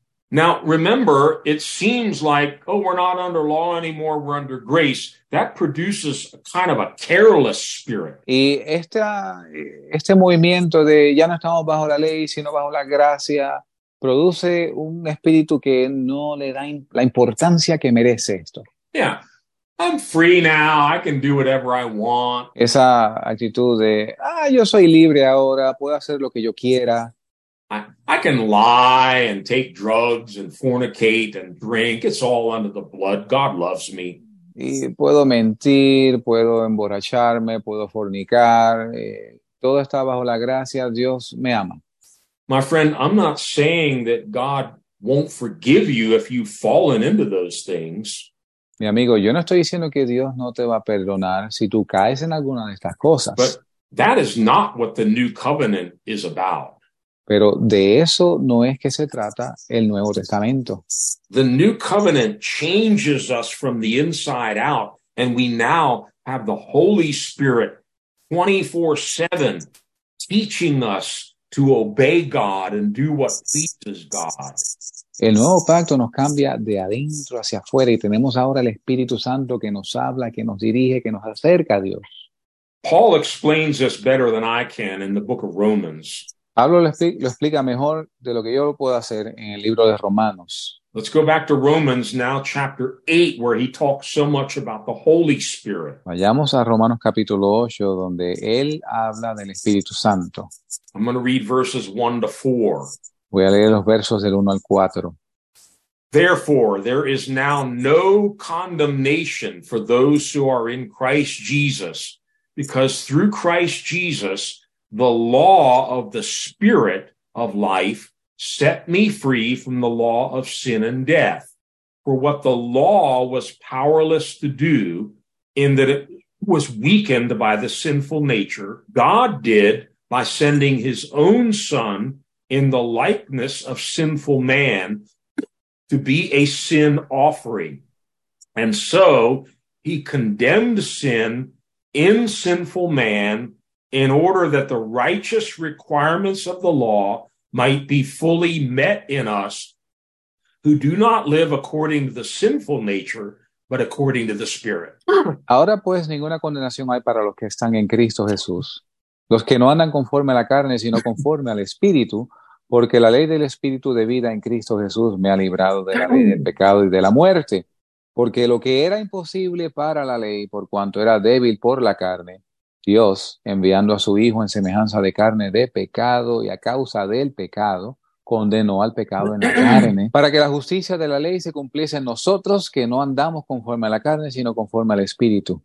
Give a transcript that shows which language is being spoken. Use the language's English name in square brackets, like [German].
[English] Now, remember, it seems like, oh, we're not under law anymore, we're under grace. That produces a kind of a careless spirit. [Spanish] Y este movimiento de ya no estamos bajo la ley, sino bajo la gracia, produce un espíritu que no le da la importancia que merece esto. [English] Yeah, I'm free now, I can do whatever I want. [Spanish] Esa actitud de, ah, yo soy libre ahora, puedo hacer lo que yo quiera. [English] I can lie and take drugs and fornicate and drink. It's all under the blood. God loves me. [Spanish] Y puedo mentir, puedo emborracharme, puedo fornicar. Todo está bajo la gracia. Dios me ama. [English] My friend, I'm not saying that God won't forgive you if you've fallen into those things. [Spanish] Mi amigo, yo no estoy diciendo que Dios no te va a perdonar si tú caes en alguna de estas cosas. [English] But that is not what the new covenant is about. [Spanish] Pero de eso no es que se trata el Nuevo Testamento. [English] The new covenant changes us from the inside out, and we now have the Holy Spirit 24/7 teaching us to obey God and do what pleases God. [Spanish] El nuevo pacto nos cambia de adentro hacia afuera y tenemos ahora el Espíritu Santo que nos habla, que nos dirige, que nos acerca a Dios. [English] Paul explains this better than I can in the book of Romans. [Spanish] Pablo lo explica mejor de lo que yo lo puedo hacer en el libro de Romanos. [English] Let's go back to Romans now, chapter 8, where he talks so much about the Holy Spirit. [Spanish] Vayamos a Romanos capítulo 8, donde él habla del Espíritu Santo. [English] I'm going to read verses 1 to 4. [Spanish] Voy a leer los versos del 1 al 4. [English] Therefore, there is now no condemnation for those who are in Christ Jesus, because through Christ Jesus, the law of the Spirit of life set me free from the law of sin and death. For what the law was powerless to do, in that it was weakened by the sinful nature, God did by sending his own Son in the likeness of sinful man to be a sin offering. And so he condemned sin in sinful man in order that the righteous requirements of the law might be fully met in us who do not live according to the sinful nature, but according to the Spirit. [Spanish] Ahora pues ninguna condenación hay para los que están en Cristo Jesús, los que no andan conforme a la carne, sino conforme al Espíritu, porque la ley del Espíritu de vida en Cristo Jesús me ha librado de la ley del pecado y de la muerte, porque lo que era imposible para la ley, por cuanto era débil por la carne, Dios, enviando a su Hijo en semejanza de carne de pecado y a causa del pecado, condenó al pecado en la carne, para que la justicia de la ley se cumpliese en nosotros, que no andamos conforme a la carne, sino conforme al Espíritu.